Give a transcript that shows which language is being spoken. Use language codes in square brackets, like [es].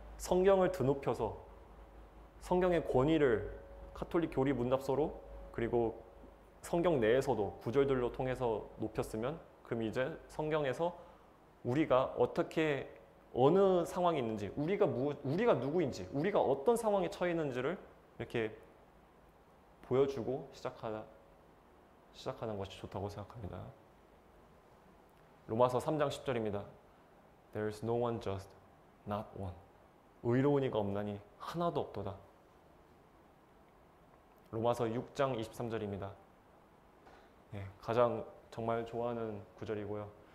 [ko] 성경을 드높여서 성경의 권위를 카톨릭 교리 문답서로 그리고 성경 내에서도 구절들로 통해서 높였으면 그럼 이제 성경에서 우리가 어떻게 어느 상황이 있는지 우리가 누구인지 우리가 어떤 상황에 처해 있는지를 이렇게 보여주고 시작하는 것이 좋다고 생각합니다. 로마서 3장 10절입니다. [en] There is no one just, not one. [ko] 의로운 이가 없나니 하나도 없도다. 로마서 6장 23절입니다. 예, 가장 정말 좋아하는 구절이고요.